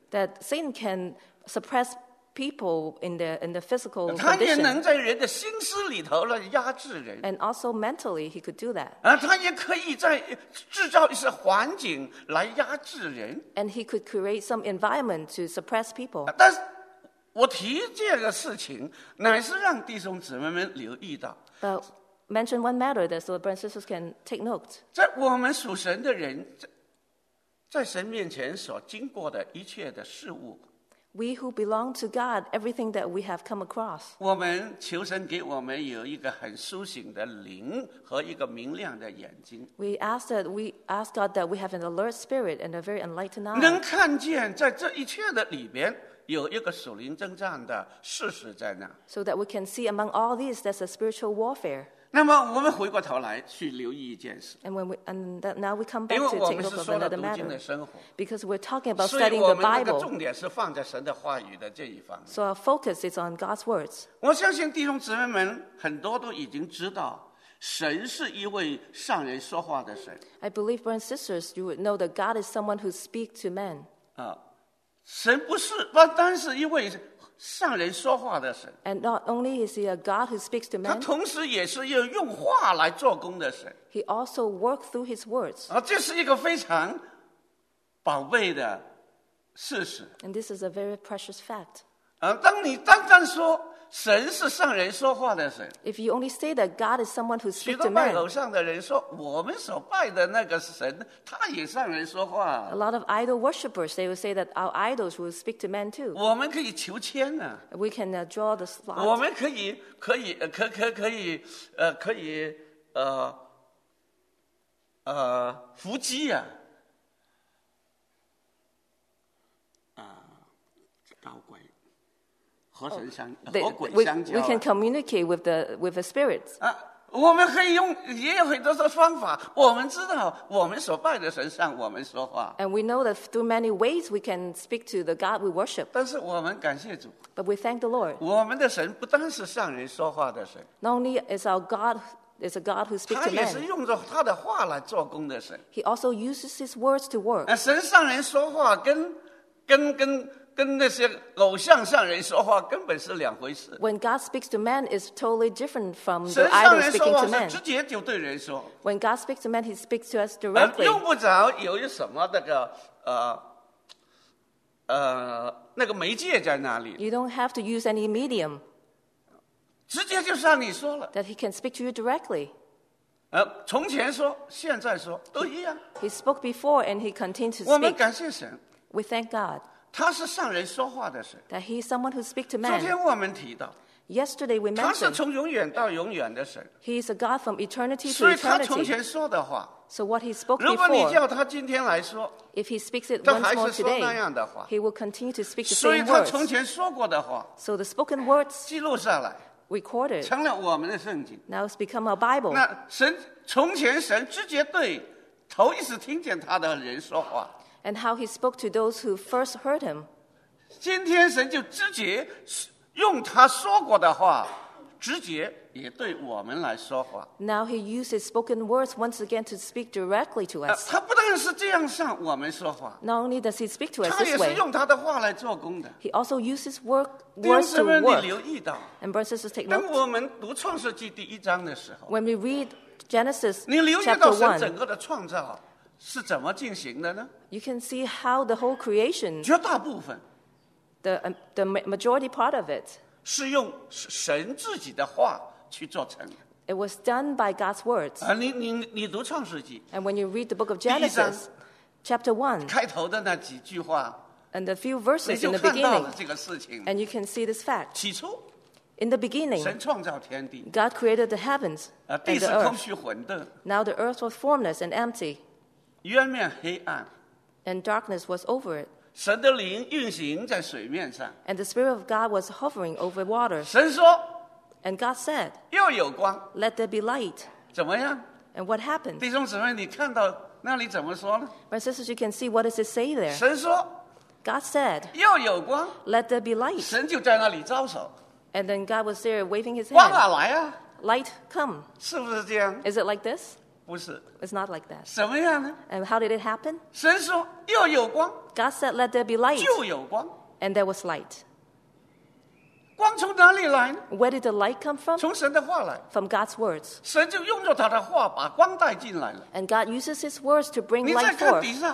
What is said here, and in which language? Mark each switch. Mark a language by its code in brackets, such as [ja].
[en] That Satan can suppress people in the physical condition. [zh] 他也能在人的心思里头来压制人。 [en] And also mentally, he could do that. [zh] 他也可以在制造一些环境来压制人。 [en] And he could create some environment to suppress people. [zh] 但是我提这个事情，乃是让弟兄姊妹们留意到。 [en] But mention one matter that so brothers and sisters can take note. [zh] 在我们属神的人，在神面前所经过的一切的事物 [en] ，We who belong to God, everything that we have come across. [zh] 我们求神给我们有一个很苏醒的灵和一个明亮的眼睛。 [en] We ask God that we have an alert spirit and a very enlightened eye. [zh] 能看见在这一切的里边。有一个属灵征战的事实在那。 [en] So that we can see among all these, there's a spiritual warfare. [zh] 那么我们回过头来去留意一件事。 [en] And now we come back to take a look at another matter. [zh] 因为我们是说了读经的生活。 [en] Because we're talking about studying the Bible. [zh] 所以我们那个重点是放在神的话语的这一方面。 [en] So our focus is on God's words. [zh] 我相信弟兄姊妹们很多都已经知道，神是一位向人说话的神。 [en] I believe, brothers and sisters, you would know that God is someone who speaks to men. [zh] 神不是单单是一位向人说话的神 [en] ，and not only is he a God who speaks to men， [zh] 他同时也是要用话来做工的神。 [en] He also works through his words。 [zh] 这是一个非常宝贝的事实。 [en] And this is a very precious fact。 [zh] 当你单单说神是向人说话的神 [en] ，if you only say that God is someone who speaks to men， [zh] 许多拜偶像的人说我们所拜的那个神，他也向人说话。 [en] A lot of idol worshippers they will say that our idols will speak to men too。 [zh] 我们可以求签呢、 [en] 啊、，we can draw the slot。 [zh] 我们可以伏击呀、啊，搞鬼。 [en] We can communicate with the spirits. [zh] 我们可以用也有很多的方法。我们知道我们所拜的神向我们说话。 [en] And we know that through many ways we can speak to the God we worship. [zh] 但是我们感谢主。 [en] But we thank the Lord. [zh] 我们的神不单是向人说话的神。 [en] Not only is our God is a God who speaks to men. [zh] 他也是用着他的话来做工的神。 [en] He also uses his words to work. [zh] 神向人说话跟那些偶像向人说话根本是两回事。 [en] When God speaks to man is totally different from the idol speaking to man. [zh] 直接就对人说。 [en] When God speaks to man, he speaks to us directly. [zh] 用不着有什么那个那个媒介在那里。 [en] You don't have to use any medium. [zh] 直接就向你说了。 [en] That he can speak to you directly. [zh] 从前说，现在说，都一样。 [en] He spoke before and he continues to speak. [zh] 我们感谢神。 [en] We thank God. [zh] 他是向人说话的神。 [en] That he is someone who speaks to men. [zh] 昨天我们提到。 [en] Yesterday we mentioned [zh] 他是从永远到永远的神, [en] He is a God from eternity to eternity. [zh] 所以他从前说的话, [en] so what he spoke before, [zh] 如果你叫他今天来说, [en] if he speaks it once more today, he will continue to speak the same words. [zh] 所以他从前说过的话, [en] so the spoken words [zh] 记录下来, [en] recorded, [zh] 成了我们的圣经, [en] now it's become a Bible. [zh] 那神, 从前神, 直接对, 头一次听见他的人说话, [en] and how he spoke to those who first heard him. [zh] 今天神就直接, 用他说过的话, 直接也对我们来说话。 [en] Now he uses spoken words once again to speak directly to us. [zh] 他不但是这样向我们说话, [en] not only does he speak to us this way, [zh] 他也是用他的话来做工的。 [en] He also uses words to work. [zh] 你留意到, [en] and brothers and sisters take note, [zh] 当我们读创世纪第一章的时候, [en] when we read Genesis chapter [zh] 1, 你留意到神整个的创造, 是怎么进行的呢? [en] You can see how the whole creation, [zh] 绝大部分, [en] the majority part of it, [zh] 是用神自己的话去做成, [en] it was done by God's words. [zh] 你读创世纪, [en] and when you read the book of Genesis, [zh] 第一章, [en] chapter 1, [zh] 开头的那几句话, [en] and the few verses in the beginning, and you can see this fact. [zh] 起初, [en] in the beginning, [zh] 神创造天地, [en] God created the heavens, [zh] 地是空虚混沌, [en] now the earth was formless and empty. [zh] 渊面黑暗, [en] and darkness was over it. [zh] 神的灵运行在水面上, [en] and the Spirit of God was hovering over water. [zh] 神说, [en] and God said, [zh] 又有光, [en] let there be light. [zh] 怎么样? [en] And what happened? [zh] 弟兄姊妹, 你看到那里怎么说呢? [en] My sisters, you can see what does it say there. [zh] 神说, [en] God said, [zh] 又有光, [en] let there be light. [zh] 神就在那里招手, [en] and then God was there waving his hand. [zh] 光啊来啊, [en] light, come. [zh] 是不是这样? [en] Is it like this? [zh] 不是, [en] it's not like that. [zh] 什么样呢? [en] And how did it happen? [zh] 神说, 又有光, [en] God said, let there be light. [zh] 就有光, [en] and there was light. [zh] 光从哪里来呢? [en] Where did the light come from? [zh] 从神的话来, [en] from God's words. [zh] 神就用着他的话把光带进来了, [en] and God uses his words to bring light forth.